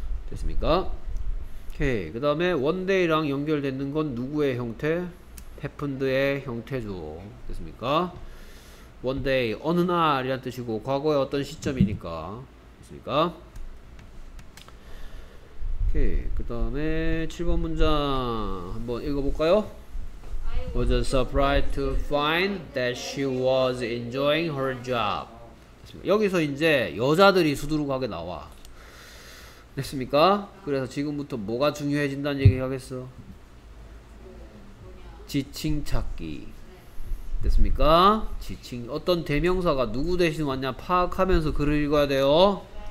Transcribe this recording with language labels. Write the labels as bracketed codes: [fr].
[ko] 됐습니까? 오케이. 그 다음에 [en] one day [ko] 랑 연결되는 건 누구의 형태? happened의 형태죠. 됐습니까? [en] one day, [ko] 어느 날이란 뜻이고 과거의 어떤 시점이니까. 됐습니까? 오케이. 그 다음에 7번 문장 한번 읽어볼까요? [en] was surprised to find that she was enjoying her job. [ko] 됐습니까? 여기서 이제 여자들이 수두룩하게 나와. 됐습니까? 그래서 지금부터 뭐가 중요해진다는 얘기 하겠어? 지칭 찾기. 됐습니까? 지칭. 어떤 대명사가 누구 대신 왔냐 파악하면서 글을 읽어야 돼요.